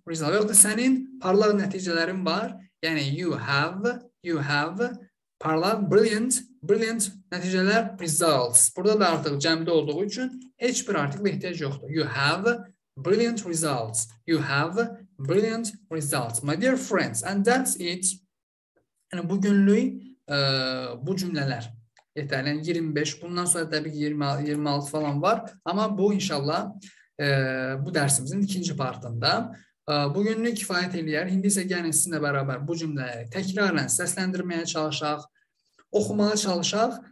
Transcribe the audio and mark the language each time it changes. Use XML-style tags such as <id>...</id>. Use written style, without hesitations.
<az>Və yaxud da sənin parlaq nəticələrin var. Yəni,</az> <en>you have</en> <az>parlaq, brilliant nəticələr, results. Burada da artıq cəmdə olduğu üçün heç bir artıqla ehtiyac yoxdur.</az> <en>You have brilliant results. You have brilliant results, my dear friends. And that's it.</en> <az>Yəni, bugünlük bu cümlələr yetərli. Yəni, 25, bundan sonra təbii ki, 26 falan var. Amma bu, inşallah, bu dərsimizin ikinci partında. Bugünlük kifayət eləyər. İndi isə gəlin sizinlə bərabər bu cümləyi təkrarən səsləndirməyə çalışaq, oxumağa çalışaq.</az>